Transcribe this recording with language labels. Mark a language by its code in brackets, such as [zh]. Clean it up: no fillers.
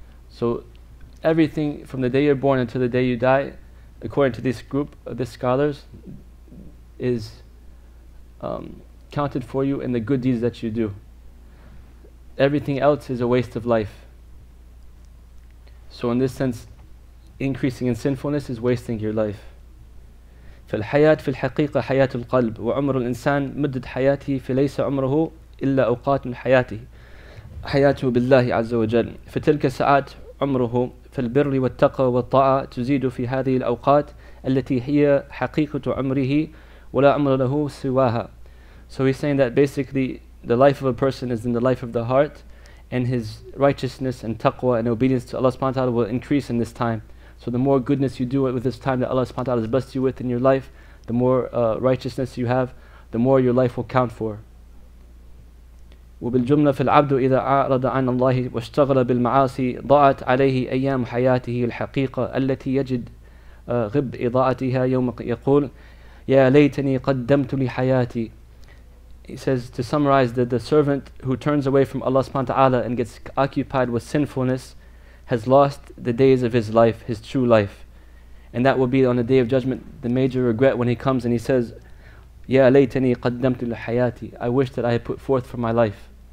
[en] So everything from the day you're born until the day you die, according to this group of the scholars, is counted for you in the good deeds that you do. Everything else is a waste of life. So in this sense, increasing in sinfulness is wasting your life. [ar] فالحياة في الحقيقة حياة القلب وعمر الإنسان مدة حياته فليس عمره إلا أوقات من حياته بالله عز وجل فتلك ساعات عمره فالبر والتقوى والطاعة تزيد في هذه الأوقات التي هي حقيقة عمره ولا عمر له سواها. [en] So he's saying that basically the life of a person is in the life of the heart, and his righteousness and taqwa and obedience to Allah subhanahu wa ta'ala will increase in this time. So the more goodness you do with this time that Allah subhanahu wa ta'ala has blessed you with in your life, the more righteousness you have, the more your life will count for. [ar] وبالجملة في العبد إذا أعرض عن الله واشتغل بالمعاصي ضاعت عليه أيام حياته الحقيقة التي يجد غب إضاءتها يوم يقول يا ليتني قدمت لي حياتي. [en] He says, to summarize, that the servant who turns away from Allah subhanahu wa ta'ala and gets occupied with sinfulness has lost the days of his life, his true life. And that will be on the Day of Judgment the major regret when he comes and he says, [ar] يا ليتني قدمت لحياتي, [en] I wish that I had put forth for my life.